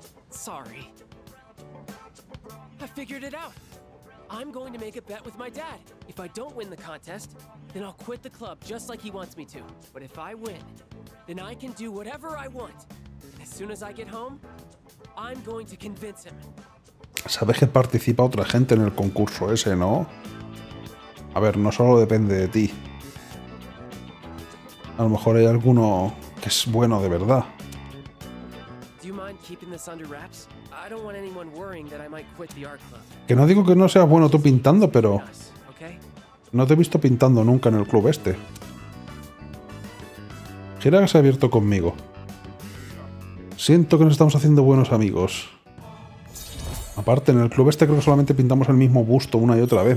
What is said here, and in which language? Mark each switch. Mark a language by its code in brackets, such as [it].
[en] Sorry. I figured it out. I'm going to make a bet with my dad. If I don't win the contest, then I'll quit the club just like he wants me to. But if I win, then I can do whatever I want. And as soon as I get home, I'm going to convince him. [es] Sabes que participa otra gente en el concurso ese, ¿no? A ver, no solo depende de ti. A lo mejor hay alguno que es bueno de verdad. ¿Te importa [en] keeping this under wraps? I don't want anyone worrying that I might quit the art club. [es] Que no digo que no seas bueno tú pintando, pero no te he visto pintando nunca en el club este. Gira que se ha abierto conmigo. Siento que nos estamos haciendo buenos amigos. Aparte, en el club este creo que solamente pintamos el mismo busto una y otra vez.